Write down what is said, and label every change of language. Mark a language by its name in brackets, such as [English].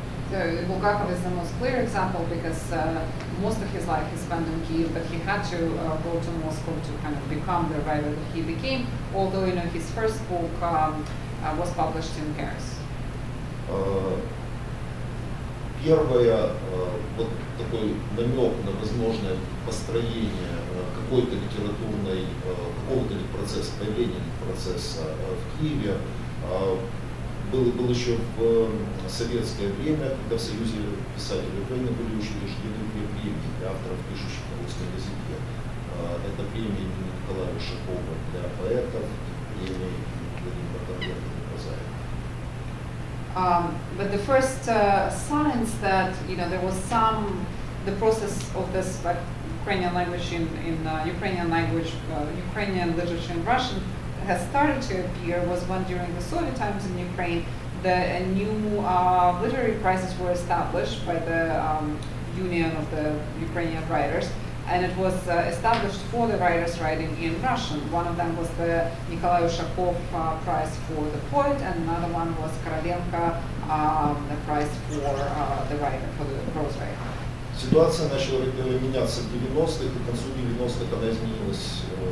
[English] So Bulgakov is the most clear example because most of his life he spent in Kyiv, but he had to go to Moscow to kind of become the writer that he became, although, you know, his first book was published in Paris. [Russian] Первое, вот такой намек на возможное построение какой-то литературной, какого-то ли процесса, появления ли процесса в Киеве, был еще в советское время, когда в Союзе писателей Украины были учреждены две премии для авторов, пишущих на русском языке. Это премия имени Николая Ушакова для поэтов, премия имени Владимира Прозаева. [English] But the first signs that, you know, there was some, the process of this Ukrainian language Ukrainian literature in Russian has started to appear was when during the Soviet times in Ukraine the new literary prizes were established by the Union of the Ukrainian Writers, and it was established for the writers writing in Russian. One of them was the Nikolai Ushakov prize for the poet, and another one was Karalenko the prize for the writer, for the prose writer. [Russian] Ситуация начала меняться в 90-х, и к концу 90-х она изменилась.